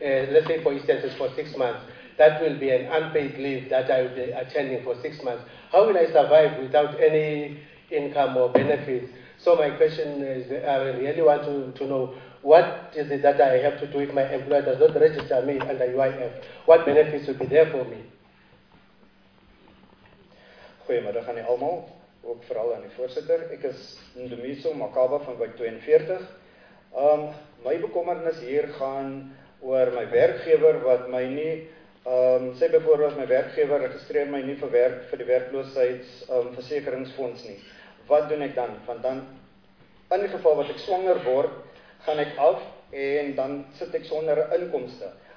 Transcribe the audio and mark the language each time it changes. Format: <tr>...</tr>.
<en>Let's say for instance, for 6 months. That will be an unpaid leave that I will be attending for 6 months. How will I survive without any income or benefits? So my question is, I really want to know, what is it that I have to do if my employer does not register me under UIF? What benefits will be there for me?</en> <af>Goeiemiddag aan almal, ook vooral aan die voorsitter. Ek is Ndumiso Makaba van wijk 42. My bekommernis hier gaan oor my werkgewer wat my nie, sê byvoorbeeld my werkgewer registreer my nie vir die werkloosheids versekeringsfonds nie. Wat doen ek dan? Want dan, in die geval wat ek swanger word, gaan ek af en dan sit ek sonder inkomste.</af>